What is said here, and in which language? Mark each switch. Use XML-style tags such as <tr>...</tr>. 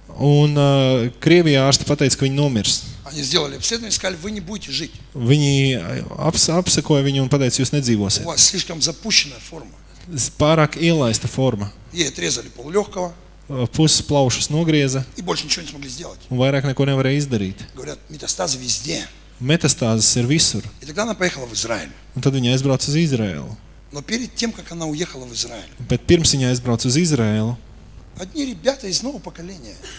<lv>Un Krievijā ārsti pateica, ka viņa nomirs.</lv> <ru>Они сделали обследование, сказали, вы не будете жить.</ru> <lv>Viņi apsekoja viņu un pateica, jūs nedzīvosiet.</lv> <ru>У вас слишком запущенная форма.</ru> <lv>Pārāk ielaista forma.</lv> <ru>Ей отрезали полулёгкого.</ru> <lv>Puses plaušas nogrieza.</lv> <ru>И больше ничего не смогли сделать.</ru> <lv>Un vairāk neko nevarēja izdarīt.</lv> <ru>Говорят, метастазы везде.</ru> <lv>Metastāzes ir visur.</lv> <ru>И тогда она поехала в Израиль.</ru> <lv>Un tad viņa aizbrauca uz Izraēlu.</lv> <ru>Но перед тем, как она уехала в Израиль.</ru> <lv>Bet pirms viņa aizbrauca uz Izraēlu.</lv> <ru>Одни ребята из нового поколения.</ru>